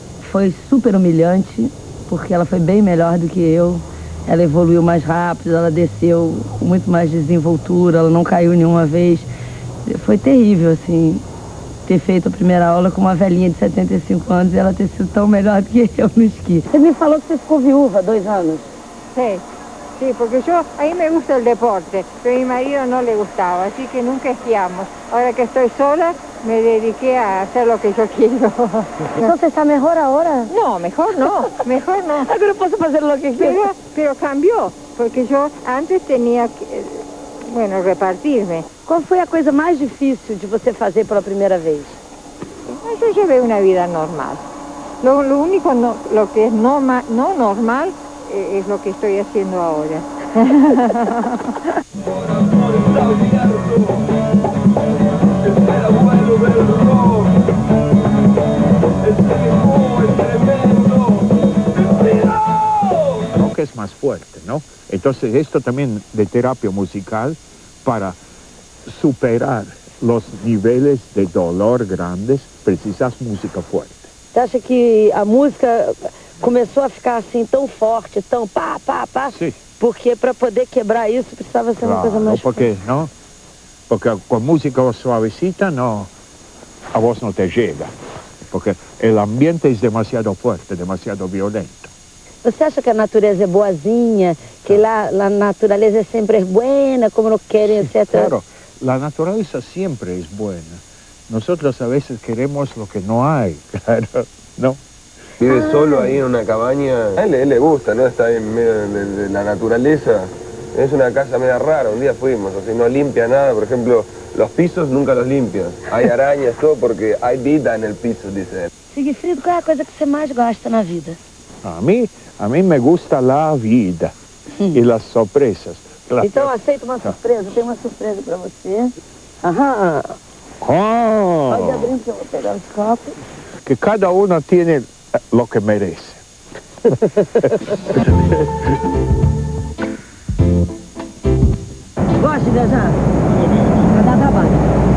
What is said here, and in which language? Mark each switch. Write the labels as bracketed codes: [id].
[pt] Foi super humilhante, porque ela foi bem melhor do que eu. Ela evoluiu mais rápido, ela desceu com muito mais desenvoltura, ela não caiu nenhuma vez. Foi terrível, assim, ter feito a primeira aula com uma velhinha de 75 anos e ela ter sido tão melhor do que eu no esqui. Você me falou que você ficou viúva há 2 anos. [es] Sí, porque yo, a mí me gusta el deporte, pero a mi marido no le gustaba, así que nunca esquiamos. Ahora que estoy sola, me dediqué a hacer lo que yo quiero. ¿Entonces está mejor ahora? No, mejor no, mejor no. Pero puedo hacer lo que quiero. Pero cambió, porque yo antes tenía que, bueno, repartirme. ¿Cuál fue la cosa más difícil de [pt] você [es] hacer por la primera vez? Yo llevé una vida normal. Lo único no, lo que es no normal, es lo que estoy haciendo ahora. Creo que es más fuerte, ¿no? Entonces esto también de terapia musical para superar los niveles de dolor grandes precisas música fuerte. [pt] ¿Te acha que [es] la [pt] música começou a ficar assim tão forte, tão pá, pá, pá? Sim. Porque para poder quebrar isso precisava ser uma coisa mais forte. Porque, não? Porque com a música [es] suavecita, [pt] não, a voz não te chega. Porque o ambiente é demasiado forte, demasiado violento. Você acha que a natureza é boazinha? Que a natureza é sempre boa, como não querem, etc? Claro, a natureza sempre é boa. Nós a vezes queremos o que não há, claro, não? [es] Vive solo ahí en una cabaña. A él le gusta, ¿no? Está en medio de la naturaleza. Es una casa media rara, un día fuimos, así no limpia nada, por ejemplo, los pisos nunca los limpian. Hay arañas, todo, porque hay vida en el piso, dice él. Sigfrido, ¿cuál es la cosa que usted más gusta en la vida? A mí me gusta la vida y las sorpresas. [pt] Então aceita uma surpresa, tem uma surpresa para você. Pode abrir, que eu vou pegar os copos. Que cada uma tem o que merece. Gosta de viajar? Vai dar trabalho.